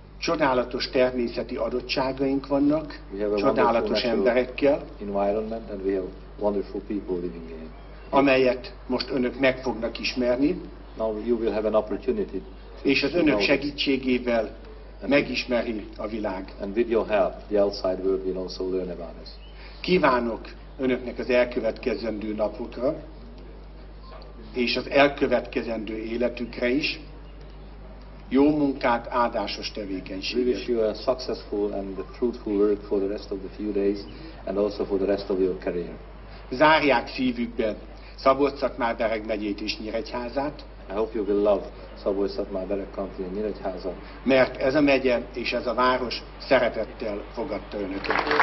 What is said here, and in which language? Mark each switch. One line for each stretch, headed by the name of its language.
Hungarian: Csodálatos természeti adottságaink vannak, csodálatos emberekkel, amelyet most önök meg fognak ismerni, és az önök segítségével megismeri a világ. Kívánok önöknek az elkövetkezendő napokra, és az elkövetkezendő életükre is jó munkát, áldásos tevékenységet.
English: We wish you a successful and a fruitful work for the rest of the few days and also for the rest of your career.
Hungarian: Zárják szívükben Szabolcs-Szatmár-Bereg megyét és Nyíregyházát.
English: I hope you will love Szabolcs-Szatmár-Bereg County and Nyíregyháza.
Hungarian: Mert ez a megye és ez a város szeretettel fogadta önöket.